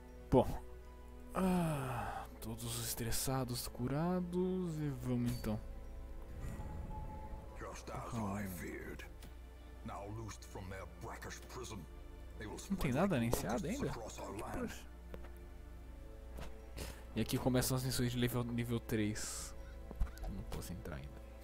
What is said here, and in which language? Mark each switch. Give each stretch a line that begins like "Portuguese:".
Portuguese: Bom. Todos os estressados curados e vamos então.
English: Just as I feared. Now loosed from their brackish prison. They will spread.
Portuguese: Não tem nada iniciado ainda. E aqui começam as missões de nível 3. Não posso entrar ainda.